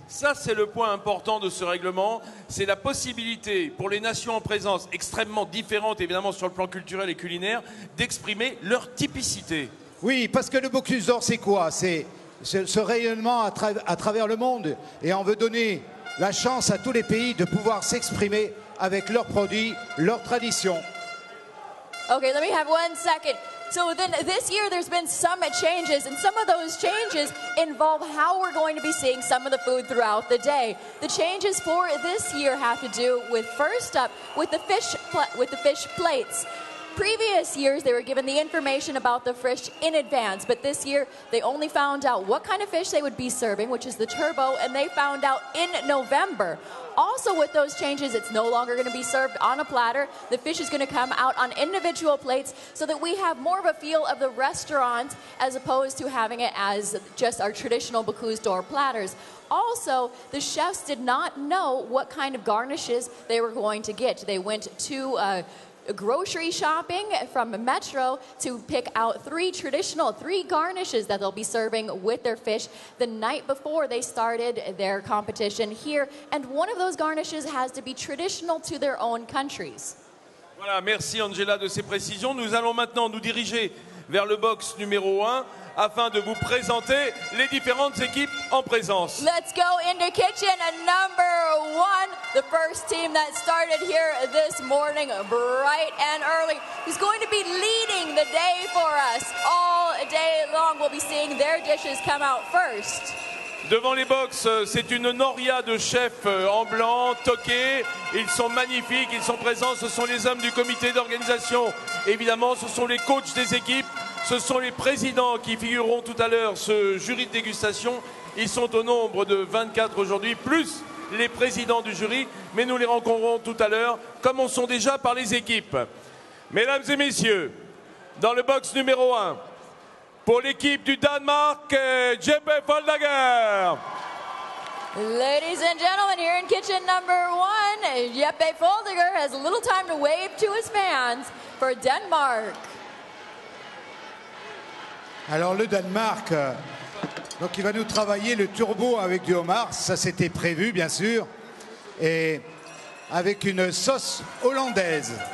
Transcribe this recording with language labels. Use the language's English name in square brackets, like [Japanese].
[French] Ça, c'est le point important de ce règlement. C'est la possibilité pour les nations en présence, extrêmement différentes évidemment sur le plan culturel et culinaire, d'exprimer leur typicité. Oui, parce que le Bocuse d'Or, c'est quoi ? C'est ce rayonnement à travers le monde. Et on veut donner la chance à tous les pays de pouvoir s'exprimer avec leurs produits, leurs traditions. [English] Okay, let me have one second. So then this year there's been some changes, and some of those changes involve how we're going to be seeing some of the food throughout the day. The changes for this year have to do with, first up, with the fish plates. Previous years, they were given the information about the fish in advance, but this year, they only found out what kind of fish they would be serving, which is the turbo, and they found out in November. Also, with those changes, it's no longer going to be served on a platter. The fish is going to come out on individual plates so that we have more of a feel of the restaurant as opposed to having it as just our traditional Bocuse d'Or platters. Also, the chefs did not know what kind of garnishes they were going to get. They went to grocery shopping from Metro to pick out three garnishes that they'll be serving with their fish the night before they started their competition here. And one of those garnishes has to be traditional to their own countries. [French] Voilà, merci Angela de ces précisions. Nous allons maintenant nous diriger vers le box numéro 1 afin de vous présenter les différentes équipes en présence. [English] Let's go into kitchen number 1, the first team that started here this morning bright and early. Who's going to be leading the day for us all day long. We'll be seeing their dishes come out first. [French] Devant les box, c'est une noria de chefs en blanc, toqués. Ils sont magnifiques, ils sont présents. Ce sont les hommes du comité d'organisation. Évidemment, ce sont les coachs des équipes. Ce sont les présidents qui figureront tout à l'heure ce jury de dégustation. Ils sont au nombre de 24 aujourd'hui, plus les présidents du jury. Mais nous les rencontrerons tout à l'heure. Commençons déjà par les équipes. Mesdames et messieurs, dans le box numéro 1, pour l'équipe du Danemark, Jeppe Foldager. [English] Ladies and gentlemen, here in kitchen number 1, Jeppe Foldager has a little time to wave to his fans for Denmark. [French] Alors le Danemark, donc il va nous travailler le turbo avec du homard, ça c'était prévu bien sûr, et avec une sauce hollandaise.